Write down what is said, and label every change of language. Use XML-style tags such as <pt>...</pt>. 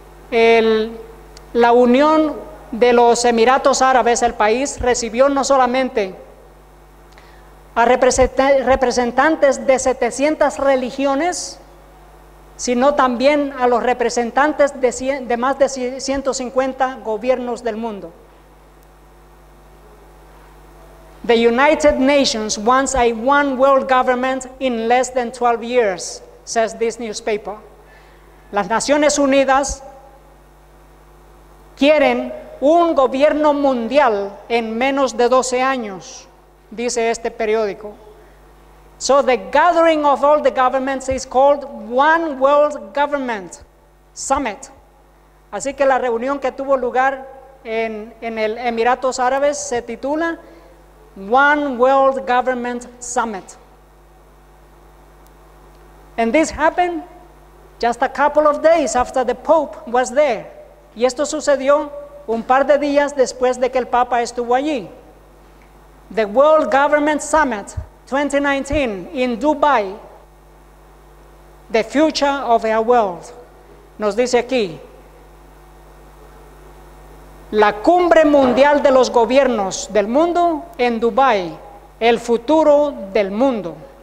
<es>La Unión de los Emiratos Árabes, el país, recibió no solamente a representantes de 700 religiones, sino también a los representantes de más de 150 gobiernos del mundo.</es> <en>The United Nations wants a one world government in less than 12 years, says this newspaper.</en> <es>Las Naciones Unidas quieren un gobierno mundial en menos de 12 años, dice este periódico.</es> <en>So the gathering of all the governments is called One World Government Summit.</en> <es>Así que la reunión que tuvo lugar en el Emiratos Árabes se titula One World Government Summit.</es> <en>And this happened just a couple of days after the Pope was there.</en> <es>Y esto sucedió un par de días después de que el Papa estuvo allí.</es> <en>The World Government Summit 2019 in Dubai, the future of our world,</en> <es>nos dice aquí, la cumbre mundial de los gobiernos del mundo en Dubai, el futuro del mundo.</es>